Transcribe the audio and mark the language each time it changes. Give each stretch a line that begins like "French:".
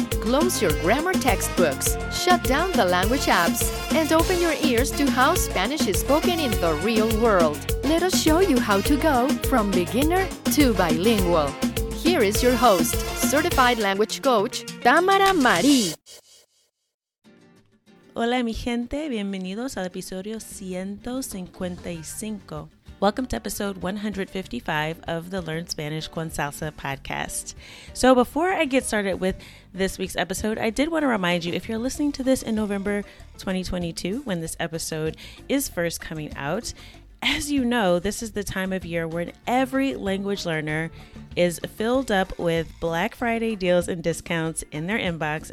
English: Close your grammar textbooks, shut down the language apps, and open your ears to how Spanish is spoken in the real world. Let us show you how to go from beginner to bilingual. Here is your host, certified language coach, Tamara Marie.
Spanish: Hola mi gente, bienvenidos al episodio 155.
English: Welcome to episode 155 of the Learn Spanish con Salsa podcast. So before I get started with this week's episode, I did want to remind you, if you're listening to this in November 2022, when this episode is first coming out, as you know, this is the time of year when every language learner is filled up with Black Friday deals and discounts in their inbox.